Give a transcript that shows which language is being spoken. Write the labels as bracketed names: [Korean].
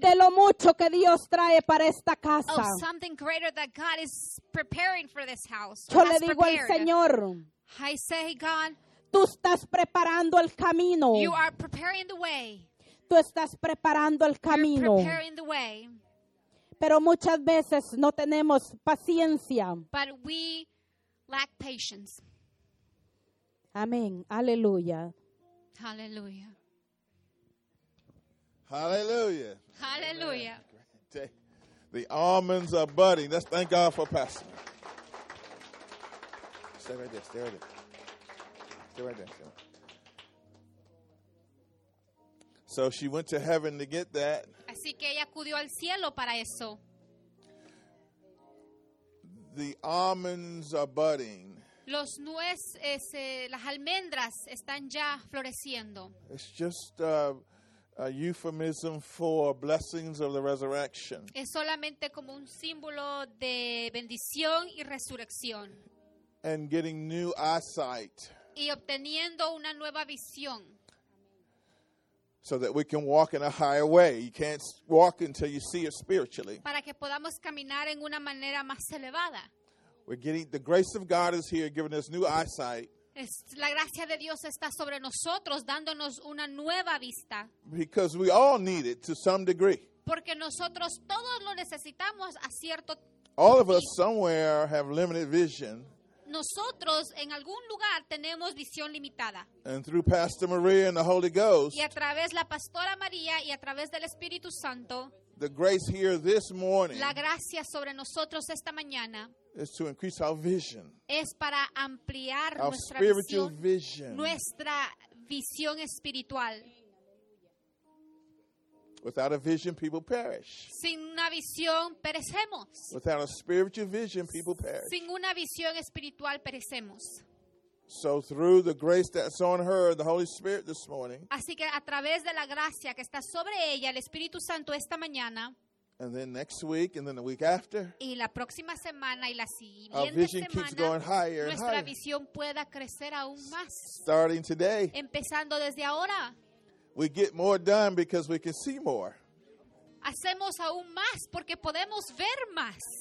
[Spanish] De lo mucho que Dios trae para esta casa. [English] Of something greater that God is preparing for this house. [Spanish] Yo le digo [English] prepared. [Spanish] Al Señor. [English] I say, God. [Spanish] Tú estás preparando el camino. [English] You are preparing the way. [Spanish] Tú estás preparando el camino. [English] You're preparing the way. [Spanish] Pero muchas veces no tenemos paciencia. [English] But we lack patience. [Spanish] Amén. Aleluya. Aleluya. Aleluya. Aleluya. [English] The almonds are budding. Let's thank God for Pastor. Stay right there. Stay right there. Stay right there. So she went to heaven to get that. [Spanish] Así que ella acudió al cielo para eso. [English] The almonds are budding. [Spanish] Los nueces, las almendras están ya floreciendo. [English] It's just a euphemism for blessings of the resurrection. [Spanish] Es solamente como un símbolo de bendición y resurrección. [English] And getting new eyesight. [Spanish] Y obteniendo una nueva visión. [English] So that we can walk in a higher way. You can't walk until you see it spiritually. [Spanish] Para que podamos caminar en una manera más elevada. [English] We're getting the grace of God is here, giving us new eyesight. [Spanish] La gracia de Dios está sobre nosotros, dándonos una nueva vista. [English] Because we all need it to some degree. [Spanish] Porque nosotros todos lo necesitamos a cierto. [English] All of us somewhere have limited vision. [Spanish] Nosotros en algún lugar tenemos visión limitada. [English] And through Pastor Maria and the Holy Ghost. [Spanish] Y a través la Pastora María y a través del Espíritu Santo. [English] The grace here this morning. [Spanish] La gracia sobre nosotros esta mañana. [English] Is to increase our vision. [Spanish] Es para ampliar [English] our [Spanish] nuestra [English] spiritual [Spanish] visión, Nuestra visión espiritual. [English] Without a vision, people perish. [Spanish] Sin una visión, perecemos. [English] Without a spiritual vision, people perish. [Spanish] Sin una visión espiritual, perecemos. [English] So through the grace that's on her, the Holy Spirit this morning. [Spanish] Así que a través de la gracia que está sobre ella, el Espíritu Santo esta mañana. [English] And then next week, and then the week after. [Spanish] Y la próxima semana y la siguiente [English] our vision [Spanish] semana, [English] keeps going higher and [Spanish] nuestra [English] higher. [Spanish] Visión pueda crecer aún más. [English] Starting today. [Spanish] Empezando desde ahora. [English] We get more done because we can see more. [Spanish] Hacemos aún más porque podemos ver más.